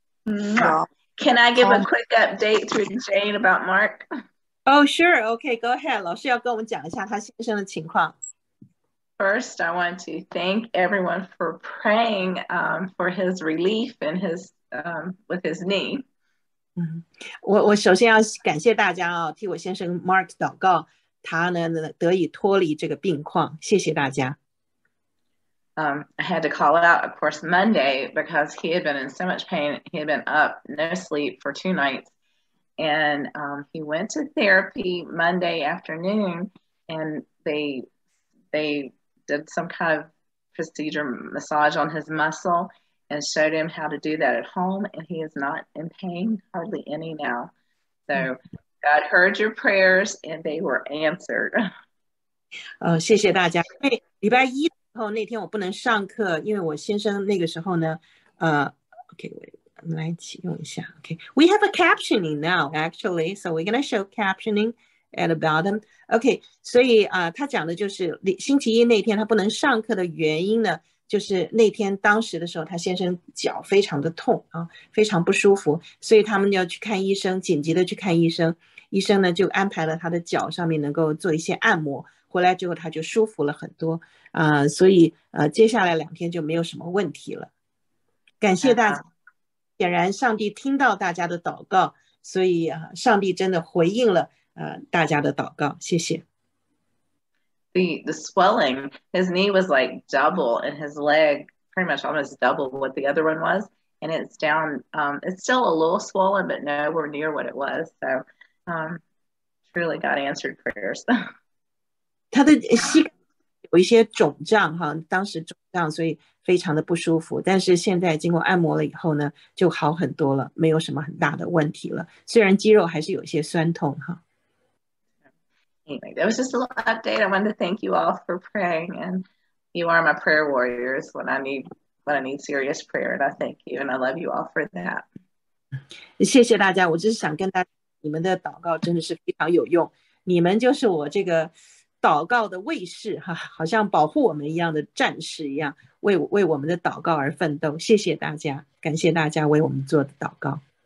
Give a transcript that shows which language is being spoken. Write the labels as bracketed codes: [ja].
[en] Can I give a quick update to Jane about Mark? Oh, sure. Okay, go ahead. [zh] 老师要跟我们讲一下他先生的情况。 [en] First, I want to thank everyone for praying for his relief and his with his knee. [zh] 我首先要感谢大家啊，替我先生 Mark 祷告，他呢得以脱离这个病况。谢谢大家。 [en] I had to call it out, of course, Monday because he had been in so much pain. He had been up, no sleep for 2 nights, and he went to therapy Monday afternoon, and they did some kind of procedure, massage on his muscle, and showed him how to do that at home, and he is not in pain, hardly any now. So God heard your prayers, and they were answered. [zh] 谢谢大家。礼拜一的时候，那天我不能上课，因为我先生那个时候呢，来启用一下。 [en] We have a captioning now, actually, so we're going to show captioning. At the bottom, okay. [zh] 所以啊，他讲的就是星期一那天他不能上课的原因呢，就是那天当时的时候，他先生脚非常的痛啊，非常不舒服，所以他们要去看医生，紧急的去看医生。医生呢就安排了他的脚上面能够做一些按摩，回来之后他就舒服了很多啊，所以接下来两天就没有什么问题了。感谢大家，显然上帝听到大家的祷告，所以啊，上帝真的回应了。大家的祷告，谢谢。 [en] The swelling, his knee was like double, and his leg pretty much almost double what the other one was, and it's down. It's still a little swollen, but nowhere near what it was. So, truly, God answered prayers. [zh] 他的膝盖有一些肿胀哈，当时肿胀，所以非常的不舒服。但是现在经过按摩了以后呢，就好很多了，没有什么很大的问题了。虽然肌肉还是有一些酸痛哈。 [en] Anyway, that was just a little update. I wanted to thank you all for praying, and you are my prayer warriors when I need serious prayer. And I thank you, and I love you all for that. [zh] 谢谢大家，我就是想跟大家，你们的祷告真的是非常有用。你们就是我这个祷告的卫士哈，好像保护我们一样的战士一样，为我们的祷告而奋斗。谢谢大家，感谢大家为我们做的祷告。